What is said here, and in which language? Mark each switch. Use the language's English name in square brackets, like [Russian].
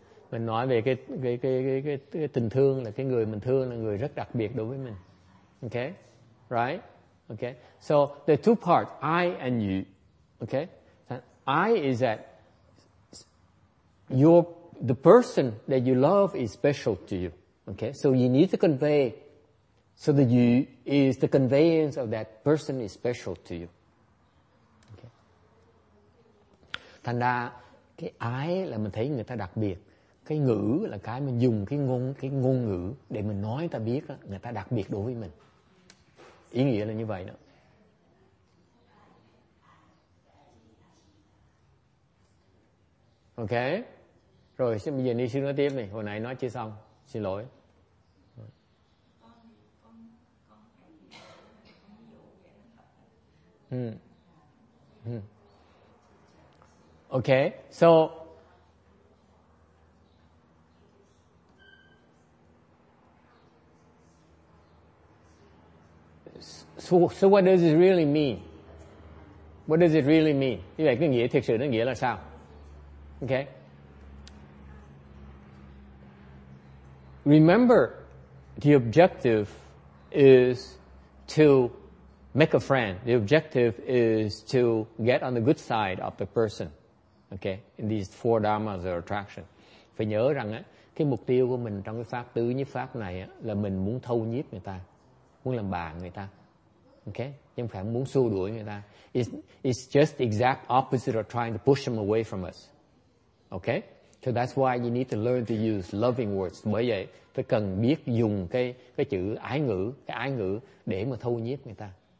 [Vietnamese] Mình nói về cái tình thương là cái người mình thương là người rất đặc biệt đối với mình, okay? [English] Right? Okay. So the two parts, I and you. Okay? And I is that the person that you love is special to you. Okay? So you need to convey, so the you is the conveyance of that person is special to you. Okay? [Vietnamese] Thành ra, cái I là mình thấy người ta đặc biệt. Cái ngữ là cái mình dùng cái ngôn ngữ để mình nói người ta biết đó, người ta đặc biệt đối với mình. Ý nghĩa là như vậy đó. Ok. Rồi xin bây giờ đi xin nói tiếp này. Hồi nãy nói chưa xong. Xin lỗi. [English] Ok. So So what does it really mean? What does it really mean? [Vietnamese] Như vậy cái nghĩa thực sự nó nghĩa là sao? Okay. [English] Remember, the objective is to make a friend. The objective is to get on the good side of the person. Okay. In these four dharmas or attraction. [Vietnamese] Phải nhớ rằng á, cái mục tiêu của mình trong cái pháp tứ nhiếp pháp này á, là mình muốn thâu nhiếp người ta, muốn làm bạn người ta. Okay, nhưng phải muốn xua đuổi người ta. [English] It's just the exact opposite of trying to push them away from us. Okay, so that's why you need to learn to use loving words. [Vietnamese] Bởi vậy, phải cần biết dùng cái chữ ái ngữ, cái ái ngữ để mà thâu nhiếp người ta.